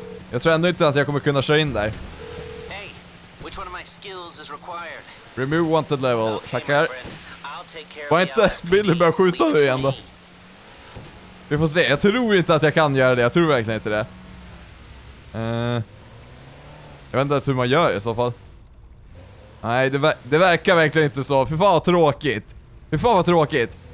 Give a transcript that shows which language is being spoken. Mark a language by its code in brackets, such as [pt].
[sv] Jag tror ändå inte att jag kommer kunna köra in där. [en] Which one of my skills is required? Remove wanted level. [sv] Okay, tackar. Var inte Billy börjar skjuta nu igen då? Vi får se. Jag tror inte att jag kan göra det. Jag tror verkligen inte det. Jag vet inte ens hur man gör i så fall. Nej, det verkar verkligen inte så. Fy fan vad tråkigt. Fy fan vad tråkigt.